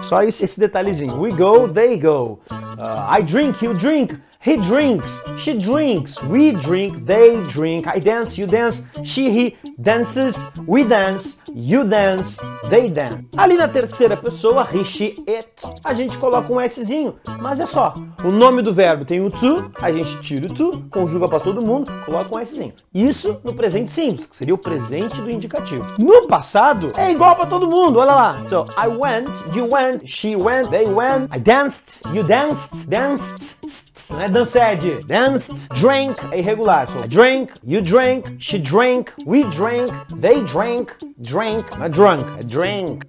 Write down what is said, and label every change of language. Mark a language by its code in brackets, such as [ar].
[pt] Só esse detalhezinho, [en] we go, they go, I drink, you drink. He drinks, she drinks, we drink, they drink, I dance, you dance, she, he dances, we dance, you dance, they dance. [pt] Ali na terceira pessoa, [en] he, she, it, [pt] a gente coloca um Szinho, mas é só. O nome do verbo tem o to, a gente tira o to, conjuga pra todo mundo, coloca um Szinho. Isso no presente simples, que seria o presente do indicativo. No passado, é igual pra todo mundo, olha lá. [en] So, I went, you went, she went, they went, I danced, you danced, danced, st. [pt] Não é danced, danced, drank, é irregular. [en] So, I drank, you drank, she drank, we drank, they drank, drank, not drunk, I drank.